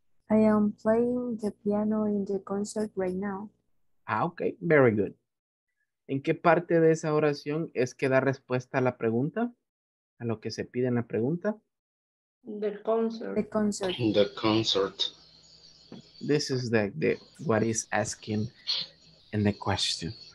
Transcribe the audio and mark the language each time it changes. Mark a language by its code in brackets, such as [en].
[en] I am playing the piano in the concert right now. Ah, okay, very good. [es] ¿En qué parte de esa oración es que da respuesta a la pregunta? ¿A lo que se pide en la pregunta? [en] The concert. The concert. The concert. This is the what is asking in the question.